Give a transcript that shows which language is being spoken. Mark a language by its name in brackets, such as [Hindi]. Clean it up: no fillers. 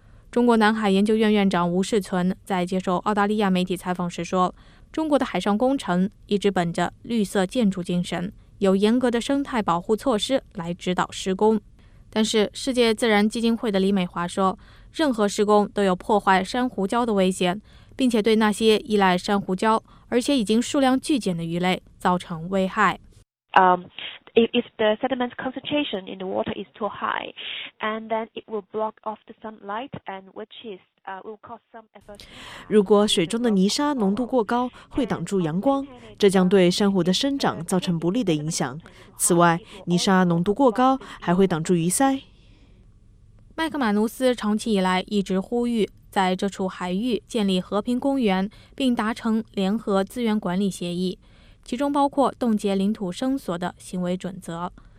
[Chinese] 中国南海研究院院长吴世存在接受澳大利亚媒体采访时说，中国的海上工程一直本着绿色建筑精神，有严格的生态保护措施来指导施工。但是世界自然基金会的李美华说，任何施工都有破坏珊瑚礁的危险，并且对那些依赖珊瑚礁而且已经数量剧减的鱼类造成危害。 [English] If the sediment concentration in the water is too high, and then it will block off the sunlight, and which is will cause some effort. [Chinese] 如果水中的泥沙浓度过高，会挡住阳光，这将对珊瑚的生长造成不利的影响。此外，泥沙浓度过高还会挡住鱼鳃。麦克马努斯长期以来一直呼吁在这处海域建立和平公园，并达成联合资源管理协议，其中包括冻结领土声索的行为准则。